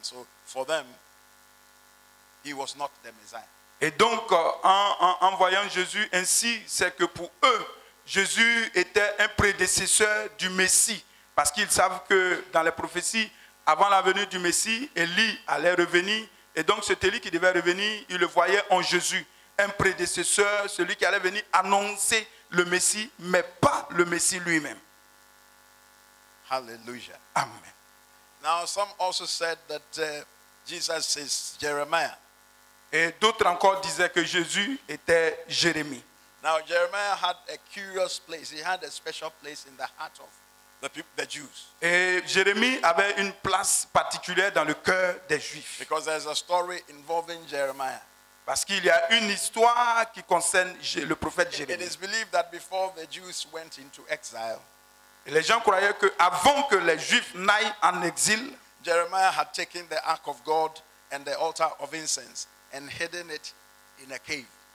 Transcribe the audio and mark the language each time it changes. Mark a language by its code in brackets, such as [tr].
[en] So for them, he was not the Messiah. [fr] Et donc, en voyant Jésus ainsi, c'est que pour eux, Jésus était un prédécesseur du Messie, parce qu'ils savent que dans les prophéties, avant la venue du Messie, Élie allait revenir. Et donc, cet Élie qui devait revenir, il le voyait en Jésus, un prédécesseur, celui qui allait venir annoncer le Messie, mais pas le Messie lui-même. Hallelujah. Amen. [en] Now, some also said that Jesus is Jeremiah. [fr] Et d'autres encore disaient que Jésus était Jérémie. [en] Now, Jeremiah had a curious place. He had a special place in the heart of the Jews. [fr] Et Jérémie avait une place particulière dans le cœur des Juifs. [en] Because there's a story involving Jeremiah. [fr] Parce qu'il y a une histoire qui concerne le prophète Jérémie. [en] It is believed that before the Jews went into exile, [fr] et les gens croyaient que avant que les Juifs n'aillent en exil, [en] Jeremiah had taken the ark of God and the altar of incense and hidden it in a cave.